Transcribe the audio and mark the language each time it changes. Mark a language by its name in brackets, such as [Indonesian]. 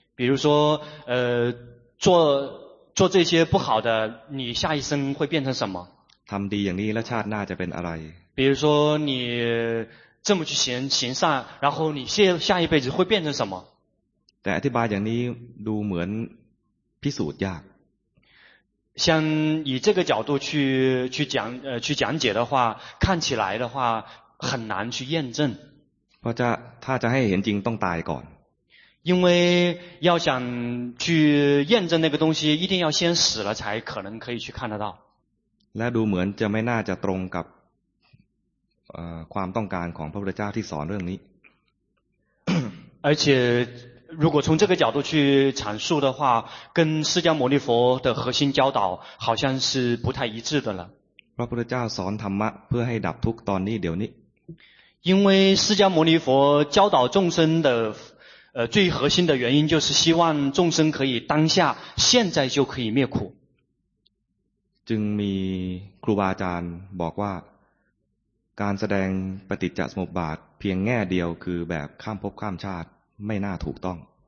[Chinese] 比如说，做这些不好的，你下一生会变成什么？他们的样子，了差那就变阿来。比如说，你这么去行善，然后你下一辈子会变成什么？ [Thai] 但อธิบายอย่างนี้ดูเหมือนพิสูจน์ยาก。 [Chinese] 像以这个角度去讲解的话，看起来的话很难去验证。 [Thai] เพราะจะถ้าจะให้เห็นจริงต้องตายก่อน。 [Chinese] 因为要想去验证那个东西，一定要先死了才可能可以去看得到。 [Thai] และดูเหมือนจะไม่น่าจะตรงกับความต้องการของพระพุทธเจ้าที่สอนเรื่องนี้。 [Chinese] 而且如果从这个角度去阐述的话，跟释迦牟尼佛的核心教导好像是不太一致的了。 [Thai] พระพุทธเจ้าสอนธรรมะเพื่อให้ดับทุกข์ตอนนี้เดี๋ยวนี้。 [Chinese] 因为释迦牟尼佛教导众生的最核心的原因就是希望众生可以当下现在就可以灭苦。 [Thai] จึงมีครูบาอาจารย์บอกว่าการแสดงปฏิจจสมุปบาทเพียงแง่เดียวคือแบบข้ามภพข้ามชาติไม่น่าถูกต้อง。